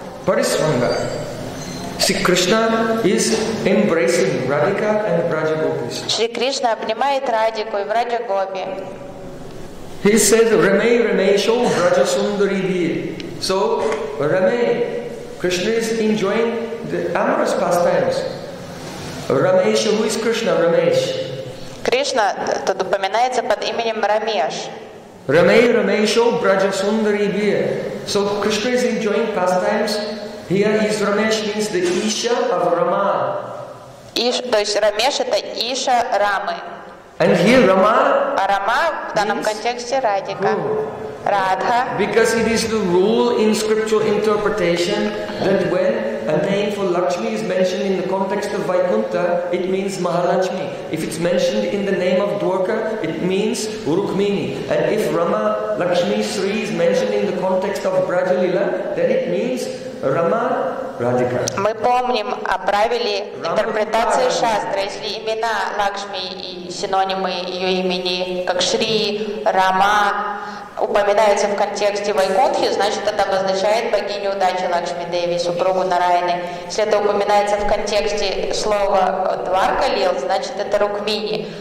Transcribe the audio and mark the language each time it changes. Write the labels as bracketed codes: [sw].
[en] Parishvanga. See, Krishna is embracing Radhika and Braja Gopis. [ru] Shri Krishna обнимает Радику и Браджа Гопи. [en] He says, Rame, Rame, show Braja Sundari Bhi. So, Rame, Krishna is enjoying the amorous pastimes. Ramesh, who is Krishna? Ramesh. [ru] Krishna тут упоминается под именем Рамеш. [en] Rame, Rame, show Braja Sundari Bhi. So, Krishna is enjoying pastimes. Here is Ramesh means the Isha of Rama. [ru] Иш, то есть Рамеш это Иша Рамы. [en] And here Rama. [ru] А Рама в данном контексте Радика. [en] Who? [ru] Радха. [en] Because it is the rule in scriptural interpretation that when a name for Lakshmi is mentioned in the context of Vaikuntha, it means Mahalakshmi. If it's mentioned in the name of Dwarka, it means Rukmini. And if Rama, Lakshmi, Sri is mentioned in the context of Brajalila, then it means Rama, Radhika. [ru] Мы помним о правиле интерпретации шастры. Если имена Лакшми и синонимы ее имени, как Шри, Рама, упоминаются в контексте Вайкунтхи, значит, это обозначает богиню удачи Лакшми Деви, супругу Нараяны. Если это упоминается в контексте слова Дварка Лил, значит, это Рукмини.